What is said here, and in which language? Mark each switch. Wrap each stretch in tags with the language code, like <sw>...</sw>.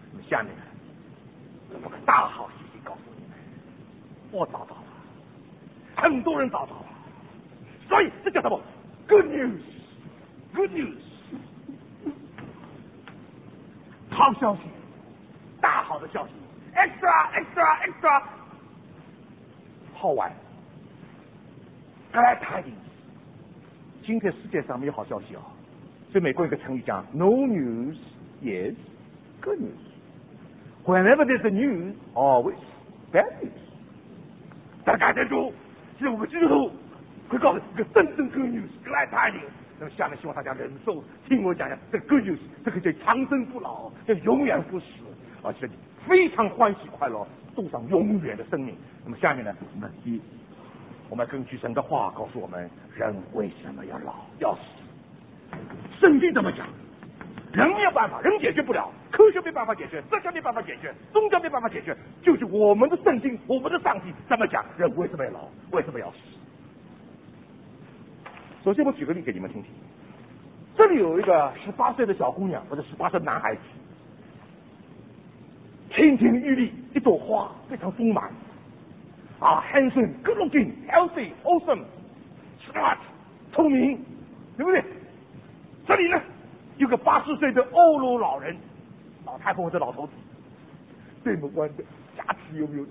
<zh>那么下面，我个大好消息告诉你们，我找到了，很多人找到了，所以这叫什么 ？Good news， 好消息，大好的消息 ，extra， 好玩 ，glad tidings。今天世界上没有好消息啊，所以美国有个成语讲</zh> <en>No news is good news. Whenever there's a news, always bad news.</en> <zh>大家记住，是我们基督徒会告诉你一个真正</zh> <en>good news, glad tidings.</en> <zh>那么下面希望大家忍受听我讲讲这 good news, 这个叫长生不老，叫永远不死，而且非常欢喜快乐，送上永远的生命。那么下面呢，我们根据神的话告诉我们，人为什么要老要死？圣经怎么讲？人没有办法，人解决不了，科学没办法解决，哲学没办法解决，宗教没办法解决，就是我们的圣经，我们的上帝怎么讲？人为什么要老？为什么要死？首先，我举个例给你们听听。这里有一个18岁的小姑娘，或者18岁的男孩子，亭亭玉立，一朵花，非常丰满。啊 ，</zh> <en>handsome, good looking, healthy, awesome, smart,</en> <zh>聪明，对不对？这里呢，有个80岁的欧罗老人，老太婆或者老头子，这么弯的，牙齿有没有？</zh>